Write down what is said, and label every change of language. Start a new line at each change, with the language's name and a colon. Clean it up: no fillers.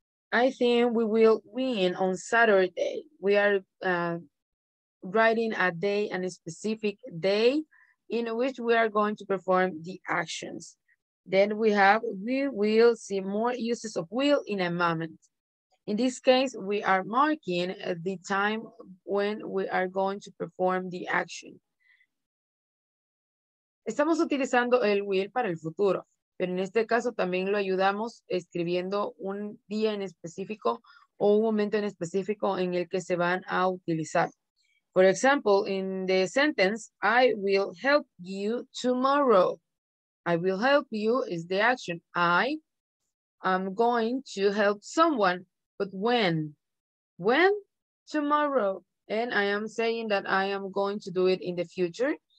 English: I think we will win on Saturday. We are writing a day and a specific day in which we are going to perform the actions. Then we have, we will see more uses of will in a moment. In this case, we are marking the time when we are going to perform the action.
Spanish: Estamos utilizando el will para el futuro, pero en este caso también lo ayudamos escribiendo un día en específico o un momento en específico en el que se van a utilizar.
English: For example, in the sentence, I will help you tomorrow. I will help you is the action. I am going to help someone. But when? Tomorrow. And I am saying that I am going to do it in the future.